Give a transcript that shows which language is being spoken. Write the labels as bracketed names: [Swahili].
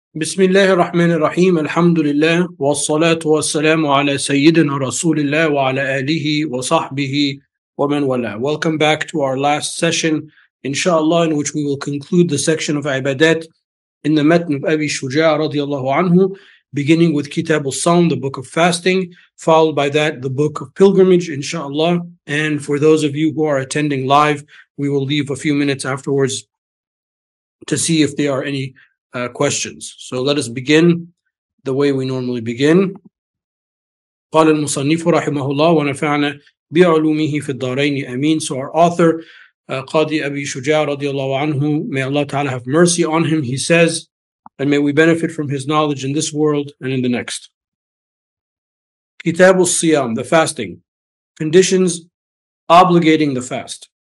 [Arabic] بسم الله الرحمن الرحيم، الحمد لله والصلاة والسلام على سيدنا رسول الله وعلى آله وصحبه ومن والاه. [English] Welcome back to our last session, inshallah, in which we will conclude the section of عبادات in the متن of أبي شجاع رضي الله عنه, beginning with كتاب الصوم, the book of fasting, followed by that the book of pilgrimage, inshallah. And for those of you who are attending live, we will leave a few minutes afterwards to see if there are any questions. So let us begin the way we normally begin. [Arabic] قال المصنف رحمه الله ونفعنا بعلومه في الدارين أمين. [English] So our author, قاضي أبي شجاع رضي الله عنه, may Allah Ta'ala have mercy on him, he says, and may we benefit from his knowledge in this world and in the next. [Arabic] كتاب الصيام, [English] the fasting, conditions obligating the fast.